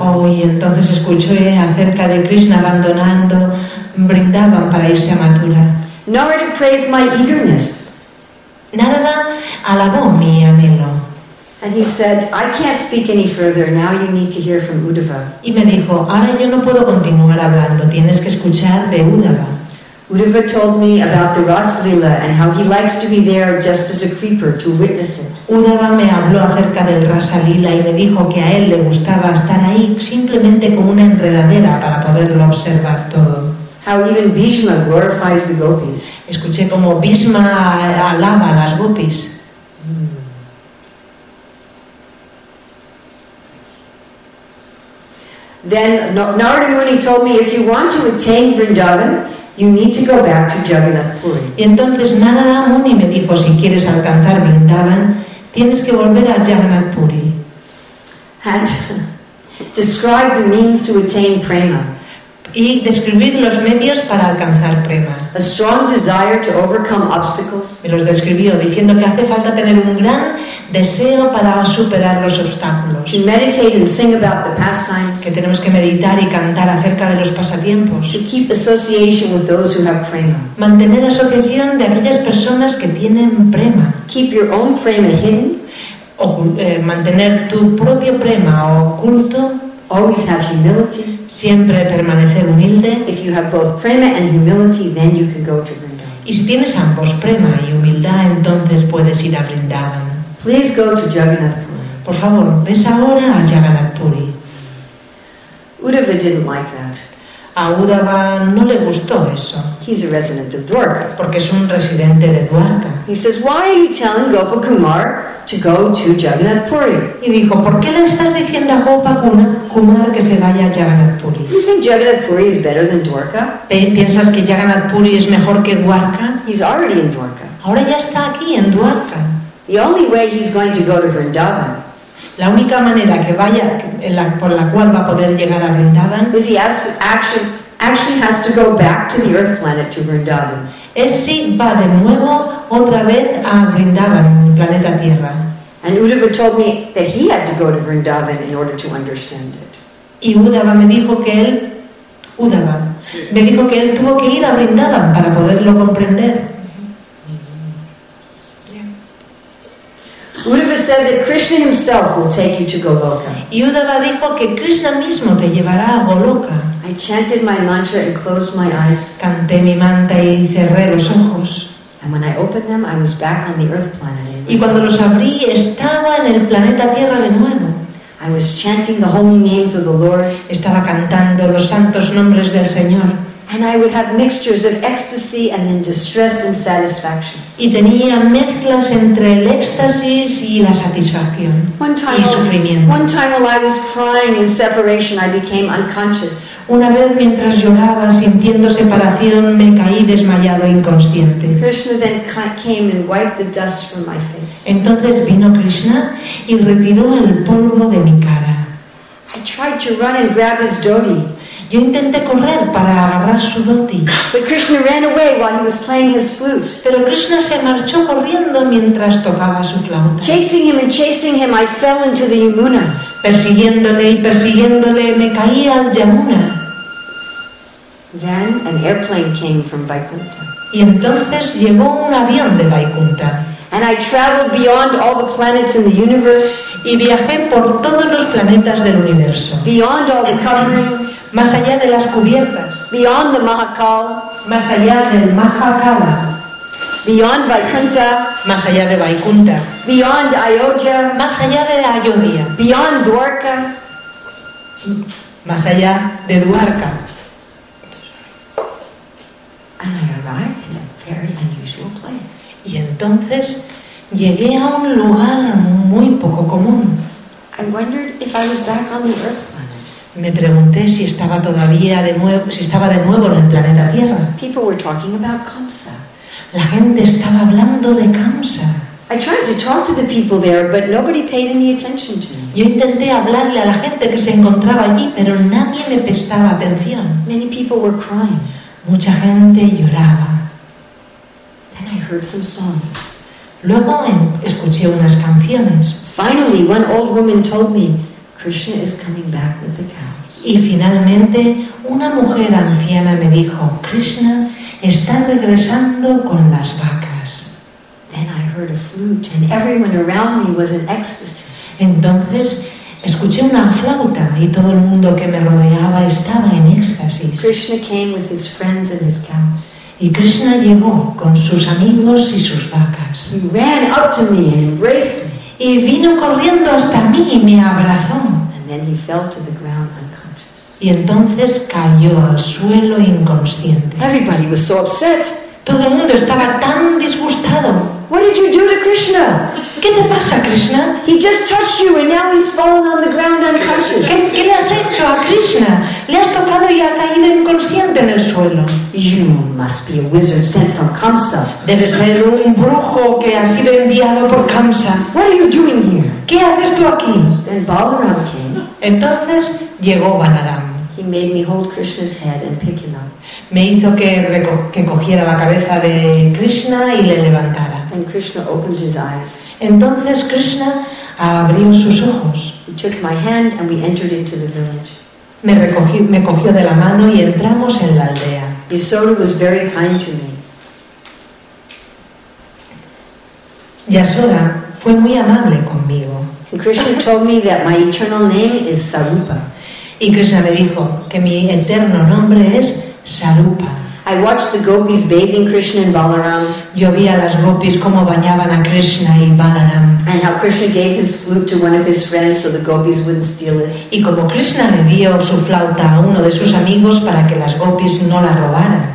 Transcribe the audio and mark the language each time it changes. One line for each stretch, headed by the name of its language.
Spanish: Oh, y entonces escuché acerca de Krishna abandonando Vrindavan para irse a Mathura.
English: Narada praised my eagerness.
Spanish: Narada alabó mi anhelo.
English: And he said, "I can't speak any further. Now you need to hear from Uddhava."
Spanish: Y me dijo, "Ahora yo no puedo continuar hablando. Tienes que escuchar de Uddhava."
English: Uddhava told me about the Raslila and how he likes to be there just as a creeper to witness it.
Spanish: Uddhava me habló acerca del Rasalila y me dijo que a él le gustaba estar ahí simplemente como una enredadera para poderlo observar todo.
English: how even Bhishma glorifies the gopis.
Spanish: Escuché como Bhishma alaba a las gopis.
English: Then Narada Muni told me, if you want to attain Vrindavan, you need to go back to Jagannath Puri.
Spanish: Y entonces Narada Muni me dijo, si quieres alcanzar Vrindavan, tienes que volver a Jagannath Puri.
English: And describe the means to attain prema.
Spanish: Y describir los medios para alcanzar prema.
English: A strong desire to overcome obstacles.
Spanish: Me los describió diciendo que hace falta tener un gran deseo para superar los obstáculos.
English: To meditate and sing about the pastimes.
Spanish: Que tenemos que meditar y cantar acerca de los pasatiempos.
English: To keep association with those who have prema.
Spanish: Mantener asociación de aquellas personas que tienen prema.
English: Keep your own prema hidden.
Spanish: Mantener tu propio prema oculto.
English: Always have humility.
Spanish: Siempre permanecer humilde.
English: If you have both prema and humility, then you can go to Vrindavan.
Spanish: Y si tienes ambos prema y humildad, entonces puedes ir a Vrindavan.
English: Please go to Jagannath Puri.
Spanish: Por favor, ves ahora a Jagannath Puri.
English: Uddhava didn't like that.
Spanish: A Uddhava no le gustó eso.
English: He's a resident of Dwarka.
Spanish: Porque es un residente de Dwarka.
English: He says, why are you telling Gopakumar to go to Jagannath Puri?
Spanish: Y dijo, ¿por qué le estás diciendo a Gopakumar que se vaya a Jagannath Puri?
English: You think Jagannath Puri is better than Dwarka?
Spanish: ¿Piensas que Jagannath Puri es mejor que Dwarka?
English: He's already in Dwarka.
Spanish: Ahora ya está aquí en Dwarka.
English: The only way he's going to go to Vrindavan.
Spanish: La única manera que vaya, por la cual va a poder llegar a Vrindavan,
English: is he actually has to go back to the Earth planet to Vrindavan.
Spanish: Es si va de nuevo otra vez a Vrindavan, el planeta Tierra.
English: And Uddhava told me that he had to go to Vrindavan in order to understand it.
Spanish: Y Uddhava me dijo que él, Uddhava, me dijo que él tuvo que ir a Vrindavan para poderlo comprender.
English: Uddhava said that Krishna himself will take you to Goloka.
Spanish: Y Uddhava dijo que Krishna mismo te llevará a Goloka.
English: I chanted my mantra and closed my eyes.
Spanish: Canté mi mantra y cerré los ojos.
English: And when I opened them, I was back on the Earth planet.
Spanish: Y cuando los abrí, estaba en el planeta Tierra de nuevo.
English: I was chanting the holy names of the Lord.
Spanish: Estaba cantando los santos nombres del Señor.
English: And I would have mixtures of ecstasy and then distress and satisfaction.
Spanish: Y tenía mezclas entre el éxtasis y la satisfacción y sufrimiento.
English: One time while I was crying in separation, I became unconscious.
Spanish: Una vez mientras lloraba sintiendo separación, me caí desmayado inconsciente.
English: Krishna then came and wiped the dust from my face.
Spanish: Entonces vino Krishna y retiró el polvo de mi cara.
English: I tried to run and grab his dhoti.
Spanish: Yo intenté correr para agarrar su dhoti.
English: But Krishna ran away while he was playing his flute.
Spanish: Pero Krishna se marchó corriendo mientras tocaba su flauta.
English: Chasing him and chasing him, I fell into the Yamuna.
Spanish: Persiguiéndole y persiguiéndole, me caí al Yamuna.
English: Then an airplane came from Vaikuntha.
Spanish: Y entonces llegó un avión de Vaikuntha.
English: And I traveled beyond all the planets in the universe.
Spanish: Y viajé por todos los planetas del universo.
English: Beyond all the coverings.
Spanish: Más allá de las cubiertas.
English: Beyond the Mahakal.
Spanish: Más allá del Mahakala.
English: Beyond Vaikuntha.
Spanish: Más allá de Vaikuntha.
English: Beyond Ayodhya.
Spanish: Más allá de Ayodhya.
English: Beyond Dwarka.
Spanish: Más allá de Dwarka.
English: And I arrived in a very unusual place.
Spanish: Y entonces llegué a un lugar muy poco común.
English: I wondered if I was back on the Earth planet.
Spanish: Me pregunté si estaba todavía de nuevo, si estaba de nuevo en el planeta Tierra.
English: People were talking about Kamsa.
Spanish: La gente estaba hablando de Kamsa.
English: I tried to talk to the people there, but nobody paid any attention to me.
Spanish: Yo intenté hablarle a la gente que se encontraba allí, pero nadie me prestaba atención.
English: Many people were crying.
Spanish: Mucha gente lloraba.
English: Then I heard some songs.
Spanish: Luego escuché unas canciones.
English: Finally, one old woman told me, Krishna is coming back with the cows.
Spanish: Y finalmente, una mujer anciana me dijo, Krishna está regresando con las vacas.
English: Then I heard a flute and everyone around me was in ecstasy.
Spanish: Entonces, escuché una flauta y todo el mundo que me rodeaba estaba en éxtasis.
English: Krishna came with his friends and his cows.
Spanish: Y Krishna llegó con sus amigos y sus vacas.
English: He ran up to me and embraced me.
Spanish: Y vino corriendo hasta mí y me abrazó.
English: And then he fell to the ground unconscious.
Spanish: Y entonces cayó al suelo inconsciente.
English: Everybody was so upset.
Spanish: Todo el mundo estaba tan disgustado.
English: What did you do to Krishna?
Spanish: ¿Qué te pasa, Krishna?
English: He just touched you and now he's fallen on the ground unconscious.
Spanish: ¿Qué le has hecho a Krishna? Le has tocado y ha caído inconsciente en el suelo.
English: You must be a wizard sent from Kamsa.
Spanish: Debes ser un brujo que ha sido enviado por Kamsa.
English: What are you doing here?
Spanish: ¿Qué haces tú aquí?
English: Then Balaram came.
Spanish: Entonces llegó Balaram.
English: He made me hold Krishna's head and pick him up.
Spanish: Me hizo que cogiera la cabeza de Krishna y le levantara.
English: And Krishna opened his eyes.
Spanish: Entonces Krishna abrió sus ojos.
English: He took my hand and we entered into the village.
Spanish: Me cogió de la mano y entramos en la aldea.
English: Yasoda was very kind to me.
Spanish: Yasoda fue muy amable conmigo.
English: And Krishna told me that my eternal name is Sarupa.
Spanish: Y Krishna me dijo que mi eterno nombre es Sarupa.
English: I watched the gopis bathing Krishna and Balaram.
Spanish: Yo vi a las gopis cómo bañaban a Krishna y Balaram.
English: And how Krishna gave his flute to one of his friends so the gopis wouldn't steal it.
Spanish: Y como Krishna le dio su flauta a uno de sus amigos para que las gopis no la robaran.